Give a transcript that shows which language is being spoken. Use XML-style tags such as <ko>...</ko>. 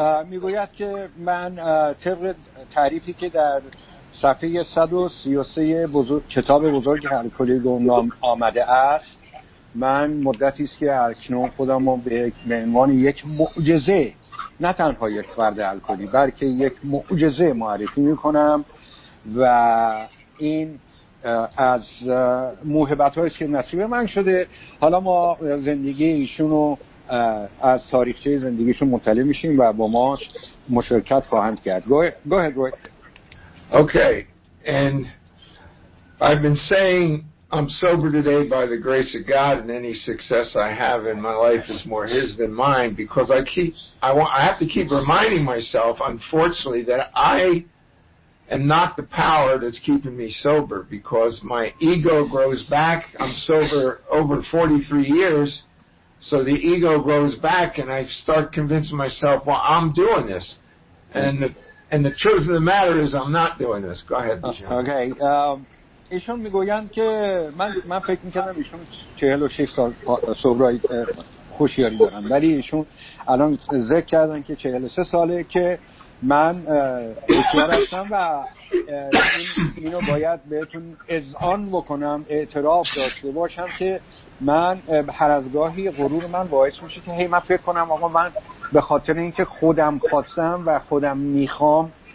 <fa>میگوید که من طبق تعریفی که در صفحه 133 کتاب بزرگ الکلی گمنام آمده است، من مدتی است که اکنون خودم رو به عنوان یک معجزه، نه تنها یک فرد الکلی بلکه یک معجزه معرفی میکنم و این از موهبت‌هایی است که نصیب من شده. حالا ما زندگی ایشون رو از تاریخچه زندگیشون مطلع میشیم و با ما مشارکت خواهند کرد.</fa> <en>Go ahead. Okay. And I've been saying I'm sober today by the grace of God, and any success I have in my life is more his than mine, because I have to keep reminding myself, unfortunately, that I am not the power that's keeping me sober, because my ego grows back. I'm sober over 43 years, so the ego grows back, and I start convincing myself, well, I'm doing this, and the truth of the matter is I'm not doing this. Go ahead, Bijan. Okay.</en> <fa>ایشون میگویند که من فکر میکردم ایشون 46 سال سوبرای هوشیاری دارن، ولی ایشون الان ذکر کردن که 43 ساله که من هوشیار هستم و اینو باید بهتون اذعان بکنم، اعتراف داشته باشم که من هر از گاهی غرور من باعث میشه که هی من فکر کنم آقا من به خاطر اینکه خودم خواستم و خودم میخوام</fa>